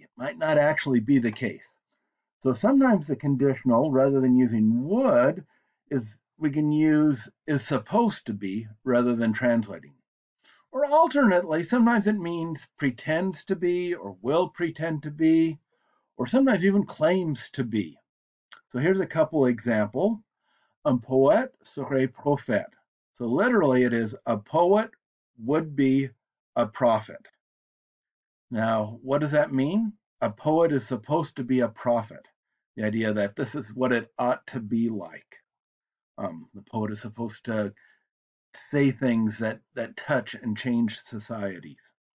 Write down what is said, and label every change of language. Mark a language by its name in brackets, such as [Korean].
[English] It might not actually be the case. So sometimes the conditional, rather than using would, we can use is supposed to be rather than translating. Or alternately, sometimes it means pretends to be or will pretend to be, or sometimes even claims to be. So here's a couple example. [French] Un poète serait prophète. [English] So literally it is a poet would be a prophet. Now, what does that mean? A poet is supposed to be a prophet. The idea that this is what it ought to be like. The poet is supposed to say things that touch and change societies.